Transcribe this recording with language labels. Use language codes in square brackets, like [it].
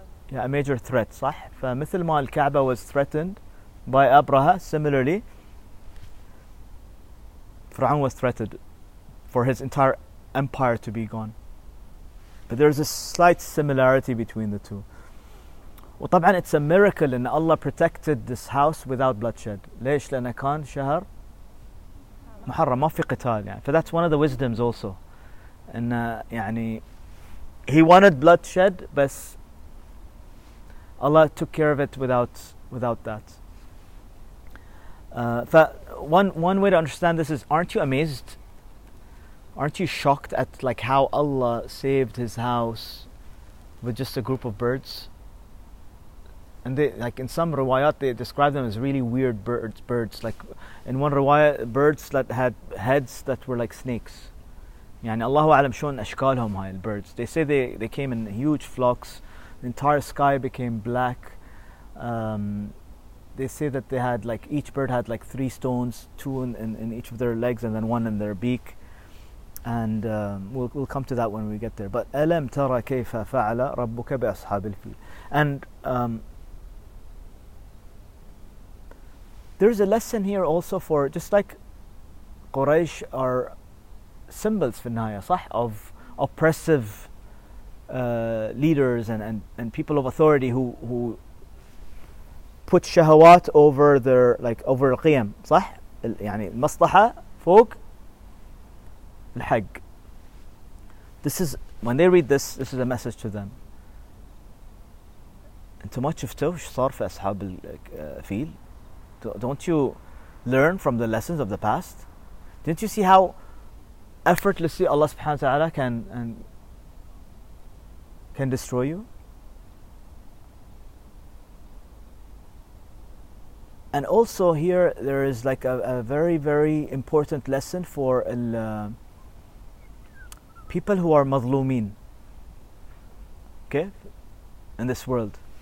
[en] Yeah, a major threat, صح? [ar] فمثل ما الكعبة [en] was threatened by Abraha, similarly, Fir'aun was threatened for his entire empire to be gone. But there is a slight similarity between the two. وطبعا it's a miracle that Allah protected this house without bloodshed. [ar] ليش لأن كان شهر محرم ما في قتال يعني. [en] So that's one of the wisdoms also. And يعني he wanted bloodshed, but Allah took care of it without that. One way to understand this is, aren't you amazed? Aren't you shocked at like how Allah saved his house with just a group of birds? And they, like in some riwayat, they describe them as really weird birds. Like in one riwayat, birds that had heads that were like snakes. [ar] يعني الله أعلم شون أشكالهم هاي birds. [en] They say they came in huge flocks. The entire sky became black. They say that they had like, each bird had like three stones, two in each of their legs and then one in their beak. And we'll come to that when we get there. [ar] But أَلَمْ تَرَى كَيْفَ فَعَلَ رَبُّكَ بِأَصْحَابِ الْفِيلِ. [en] And there's a lesson here also for, just like Quraysh are symbols [ar] في النهاية, [en] صح? Of oppressive leaders and people of authority who put shahawat over their like over qiyam, صح? [ar] يعني المصلحه فوق الحق. [en] This is when they read this. This is a message to them. [ar] أنتوا ما شفتوا إيش صار في أصحاب الفيل? [en] Don't you learn from the lessons of the past? Didn't you see how effortlessly Allah Subhanahu wa Taala can and can destroy you. And also here there is like a very, very important lesson for people who are mazlumin, okay, in this world.